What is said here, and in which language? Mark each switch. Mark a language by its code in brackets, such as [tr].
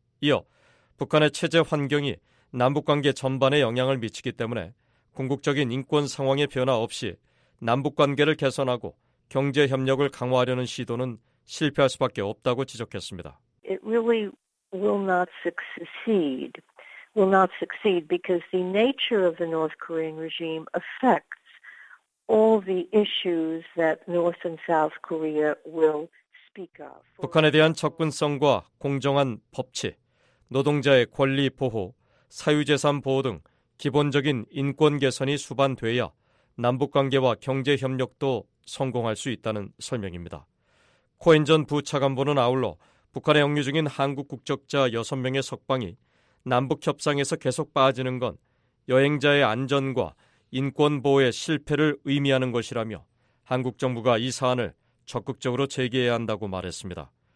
[ko] 이어 북한의 체제 환경이 남북관계 전반에 영향을 미치기 때문에 궁극적인 인권 상황의 변화 없이 남북관계를 개선하고 경제협력을 강화하려는 시도는 실패할 수밖에 없다고 지적했습니다. [en] It really will not succeed. Will not succeed because the nature of the North Korean regime affects all the issues that North and South Korea will speak of. [ko] 북한에 대한 접근성과 공정한 법치, 노동자의 권리 보호, 사유재산 보호 등 기본적인 인권 개선이 수반돼야 남북관계와 경제협력도 성공할 수 있다는 설명입니다. 코엔 전 부차관보는 아울러 북한에 억류 중인 한국 국적자 6명의 석방이 남북협상에서 계속 빠지는 건 여행자의 안전과 인권보호의 실패를 의미하는 것이라며 한국 정부가 이 사안을 적극적으로 제기해야 한다고 말했습니다.